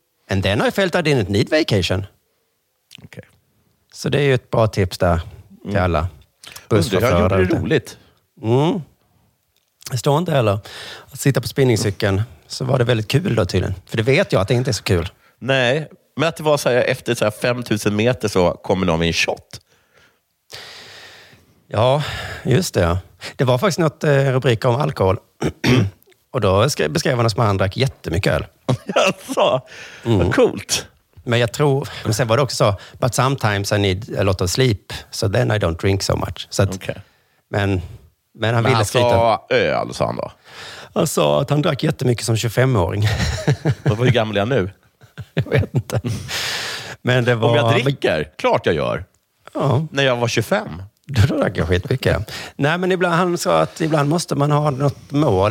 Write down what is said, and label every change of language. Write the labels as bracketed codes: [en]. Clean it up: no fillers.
[en] And then I felt I didn't need vacation. Okay. [sv] Så det är ju ett bra tips där till alla bussförförare. Han gjorde det roligt. Det står inte heller. Att sitta på spinningcykeln. Så var det väldigt kul då tydligen. För det vet jag att det inte är så kul. Nej, men att det var så här, efter så här 5000 meter så kommer någon med en shot. Ja, just det. Det var faktiskt något rubrik om alkohol. Och då beskrev han att han drack jättemycket öl. Alltså, vad coolt. [en] Men jag tror, men sen var det också så, but sometimes I need a lot of sleep, so then I don't drink so much. [sv] Så att, okay. Men han ville skryta. Han sa öl, sa han då. Han sa att han drack jättemycket som 25-åring. Och hur gammal är han nu? Jag vet inte. Men det var... Om jag dricker, klart jag gör. Ja. När jag var 25. Då drack jag skitmycket. Nej, men ibland, han sa att ibland måste man ha något mål.